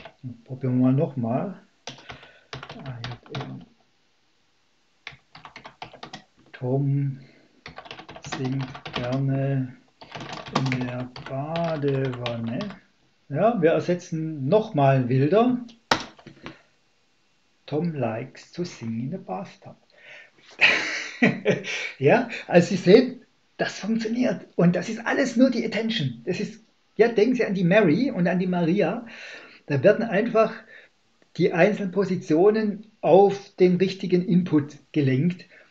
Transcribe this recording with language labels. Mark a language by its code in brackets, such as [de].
[de] Dann probieren wir mal nochmal. Tom singt gerne in der Badewanne. Ja, wir ersetzen nochmal wilder. [en] Tom likes to sing in the bathtub. [de] Ja, also Sie sehen, das funktioniert. Und das ist alles nur die Attention. Das ist, ja, denken Sie an die Mary und an die Maria. Da werden einfach die einzelnen Positionen auf den richtigen Input gelenkt.